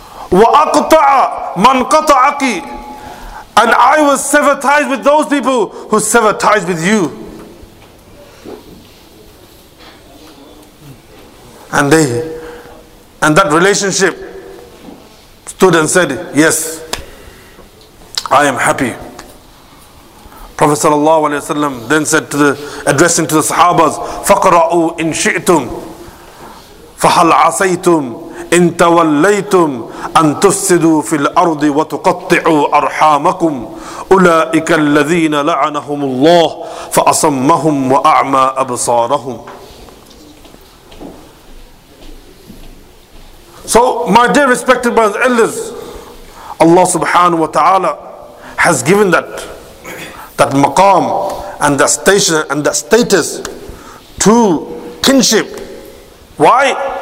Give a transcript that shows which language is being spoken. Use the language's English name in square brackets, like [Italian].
[Arabic] وأقطع من قطعك, [English] and I will sever ties with those people who sever ties with you. And that relationship Student said, yes, I am happy. Prophet sallallahu alayhi wa sallam then said to the, addressing to the sahabas, [Arabic] فَقْرَأُوا إِنْ شِئْتُمْ فَحَلْ عَسَيْتُمْ إِنْ تَوَلَّيْتُمْ أَنْ تُفْسِدُوا فِي الْأَرْضِ وَتُقَطِّعُوا أَرْحَامَكُمْ أُولَٰئِكَ الَّذِينَ لَعَنَهُمُ اللَّهُ فَأَصَمَّهُمْ وَأَعْمَى أَبْصَارَهُمْ. [English] So, my dear respected brothers and elders, Allah subhanahu wa ta'ala has given that maqam and that station and that status to kinship. Why?